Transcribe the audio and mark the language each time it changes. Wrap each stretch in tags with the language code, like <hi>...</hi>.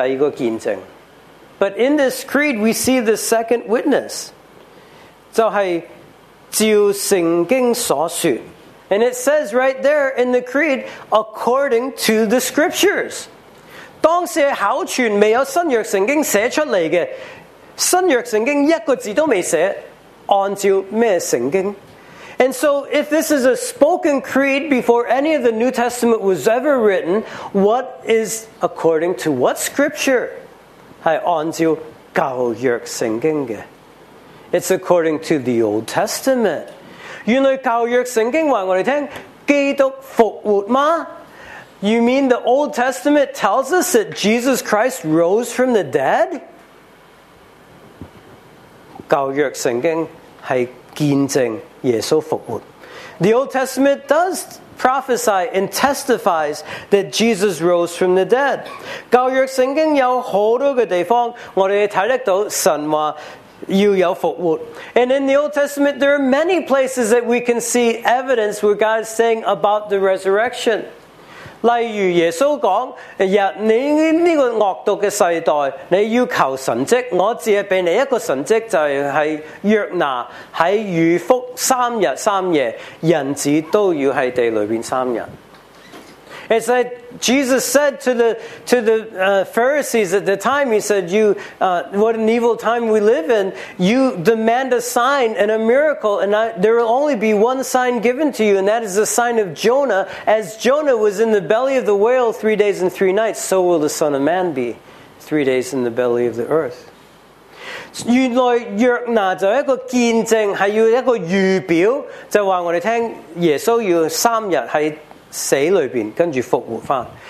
<en>But in this creed, we see the second witness.</en> <yue>就是照圣经所说。</yue> <en>And it says right there in the creed, according to the scriptures.</en> <yue>当时口传未有新约圣经写出来的，新约圣经一个字都没写，按照咩圣经？</yue> <en>And so if this is a spoken creed before any of the New Testament was ever written, what is according to what scripture?</en> <yue>是按照旧约圣经的。</yue> <en>It's according to the Old Testament.</en> <yue>原来旧约圣经话我哋听基督复活吗</yue> <en>？You mean the Old Testament tells us that Jesus Christ rose from the dead？</en> <yue>旧约圣经系见证耶稣复活。</yue> <en>The Old Testament does prophesy and testifies that Jesus rose from the dead。</en> <yue>旧约圣经有好多嘅地方，我哋睇得到神话。</yue> <en>And in the Old Testament, there are many places that we can see evidence where God is saying about the resurrection.</en> <yue>例如耶稣讲，呀，你这个恶毒的世代，你要求神迹，我只是给你一个神迹，就是约拿在鱼腹三日三夜，人子都要在地里面三日。</yue> <en>It's like Jesus said to the Pharisees at the time, he said, what an evil time we live in. You demand a sign and a miracle, and there will only be one sign given to you, and that is the sign of Jonah. As Jonah was in the belly of the whale 3 days and three nights, so will the Son of Man be 3 days in the belly of the earth.</en> <yue>原来约拿就一个见证，是要一个预表，就话我们听耶稣要三日是死里边，跟住复活翻。</yue>